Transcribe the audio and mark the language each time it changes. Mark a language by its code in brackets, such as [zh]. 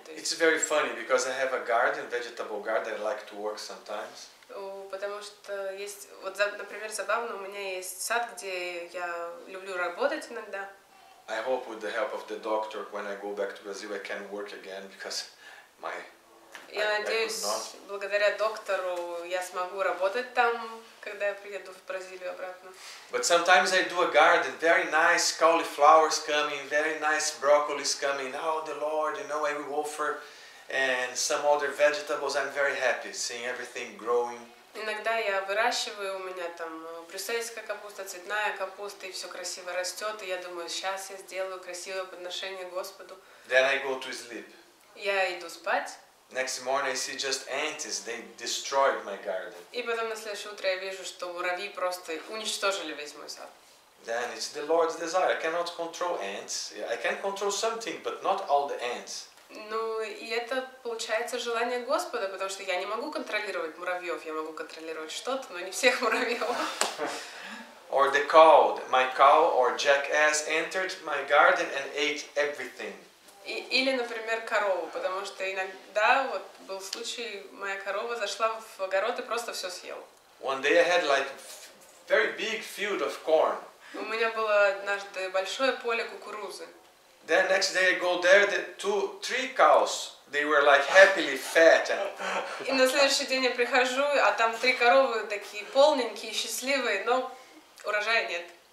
[ru] То есть... [en] It's very funny because I have a garden, vegetable garden. I like to work sometimes. [ru] Потому что есть, вот, например, забавно, у меня есть сад, где я люблю работать иногда. [en] I hope with the help of the doctor, when I go back to Brazil, I can work again because my. [ru] Я надеюсь, благодаря доктору я смогу работать там, когда я приеду в Бразилию обратно. [en] But sometimes I do a garden, very nice cauliflowers coming, very nice broccoli is coming. Oh, the Lord, you know, I will offer and some other vegetables. I'm very happy seeing everything growing. [ru] Иногда я выращиваю, у меня там брюссельская капуста, цветная капуста, и все красиво растет, и я думаю, сейчас я сделаю красивое подношение Господу. [en] Then I go to sleep. [ru] Я иду спать. [en] Next morning I see just ants, they destroyed my garden. [ru] И потом на следующее утро я вижу, что муравьи просто уничтожили весь мой сад. [en] Then it's the Lord's desire. I cannot control ants. I can control something, but not all the ants. [ru] Ну и это получается желание Господа, потому что я не могу контролировать муравьев, я могу контролировать что-то, но не всех муравьев. [en] Or the cow, my cow or jackass entered my garden and ate everything. [ru] Или, например, корову, потому что иногда вот был случай, моя корова зашла в огород и просто все съела. [en] One day I had like very big field of corn. [ru] У меня было однажды большое поле кукурузы. [en] Then next day I go there, the two, three cows, they were like happily fat. [ru] И на следующий день я прихожу, а там три коровы такие полненькие, счастливые, но урожая нет.